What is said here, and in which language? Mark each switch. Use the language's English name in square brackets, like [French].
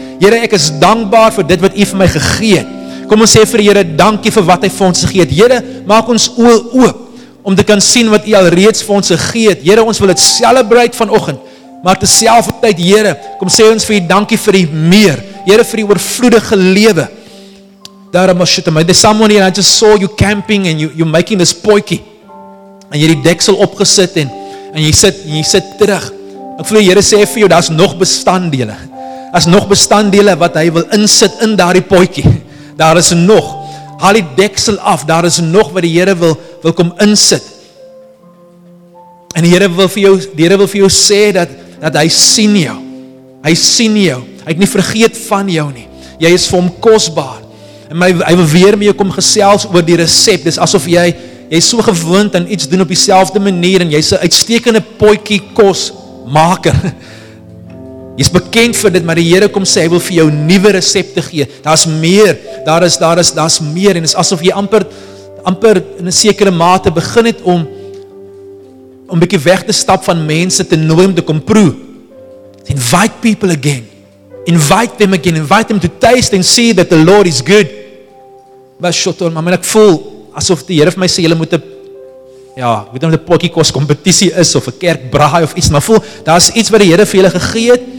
[Afrikaans] Here, ek is dankbaar vir dit wat u vir my gegee het. Kom ons sê vir die Here dankie vir wat hy vir ons gegee het. Here, maak ons oë oop om te kan sien wat u al reeds vir ons gegee het. Here, ons wil dit celebrate vanoggend. Maar terselfdertyd, Here, kom sê ons vir u dankie vir die meer. Here, vir die oorvloedige lewe. Daarom as jy te my, [English] there's someone here, I just saw you camping and you're making this poikie. [Afrikaans] En jy het die deksel opgesit en jy sit terug. Ek voel die Here sê vir jou, daar's nog bestanddele. Daar's nog bestanddele wat hy wil insit in daardie poikie. Daar is nog. Haal die deksel af. Daar is nog wat die Here wil kom insit. En die Here wil vir jou sê dat hy sien jou. Hy sien jou. Hy het nie vergeet van jou nie. Jy is vir hom kosbaar. En hy wil weer met jou kom gesels oor die resep. Dis asof jy is so gewoond aan iets doen op dieselfde manier en jy's 'n uitstekende potjie kosmaker. Jy's bekend vir dit, maar die Here kom sê hy wil vir jou nuwe resepte gee. Daar's meer. Daar's meer en dit is asof jy amper in 'n sekere mate begin het om bietjie weg te stap van mense te nooi om te kom proe. [English] Invite people again. Invite them again. Invite them to taste and see that the Lord is good. [Afrikaans] Maar shot on my full asof die Here vir my sê jy moet 'n potjie kos kompetisie is of 'n kerk braai of iets, maar voel daar's iets wat die Here vir julle gegee het.